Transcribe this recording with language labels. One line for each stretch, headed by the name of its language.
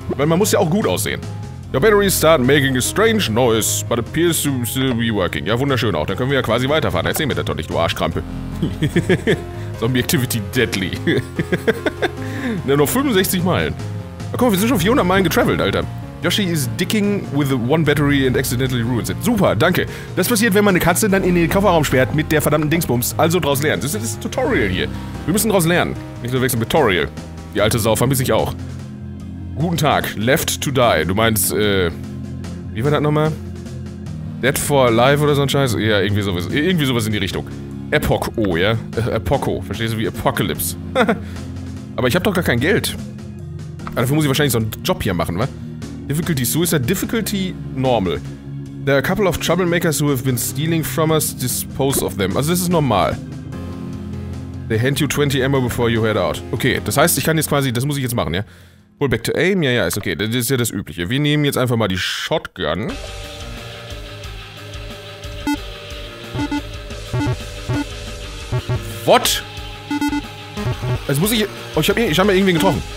German: Weil man muss ja auch gut aussehen.
English: Your batteries start making a strange noise, but appears to still be working.
German: Ja, wunderschön auch. Dann können wir ja quasi weiterfahren. Erzähl mir das doch nicht, du Arschkrampe.
English: Zombie Activity deadly.
German: Ja, nur 65 Meilen. Na komm, wir sind schon 400 Meilen getravelt, Alter.
English: Yoshi is dicking with one battery and accidentally ruins it.
German: Super, danke. Das passiert, wenn man eine Katze dann in den Kofferraum sperrt mit der verdammten Dingsbums. Also draus lernen. Das ist ein Tutorial hier. Wir müssen draus lernen. Nicht nur wechseln mit Tutorial. Die alte Sau vermisse ich auch. Guten Tag, left to die. Du meinst, wie war das nochmal? Dead for life oder so ein Scheiß? Ja, irgendwie sowas in die Richtung. Epoch-O, ja? Epoch-O. Verstehst du, wie Apocalypse? Aber ich hab doch gar kein Geld. Aber dafür muss ich wahrscheinlich so einen Job hier machen, wa?
English: Difficulty Suicide. Difficulty normal. There are a couple of troublemakers who have been stealing from us. Dispose of them.
German: Also das ist normal.
English: They hand you 20 ammo before you head out.
German: Okay, das heißt, ich kann jetzt quasi, das muss ich jetzt machen, ja?
English: Pull back to aim,
German: ja, ist okay, das ist ja das Übliche. Wir nehmen jetzt einfach mal die Shotgun. What? Also muss ich... Oh, ich hab scheinbar irgendwen getroffen.